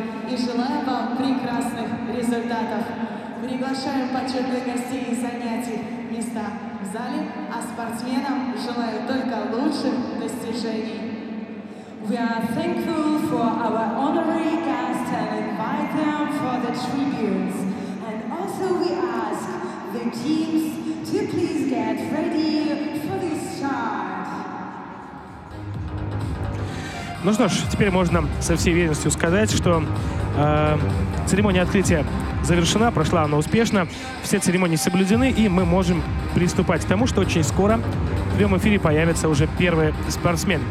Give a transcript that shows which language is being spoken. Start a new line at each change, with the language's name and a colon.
Russian: И желаем вам прекрасных результатов. Приглашаем почетных гостей занять места в зале, а спортсменам желаю только лучших достижений.
English: We are thankful for our honorary guests and invite them for the tributes. And also we ask the teams to please get ready for this start.
Russian: Ну что ж, теперь можно со всей уверенностью сказать, что церемония открытия завершена, прошла она успешно, все церемонии соблюдены, и мы можем приступать к тому, что очень скоро в прямом эфире появится уже первый спортсмен.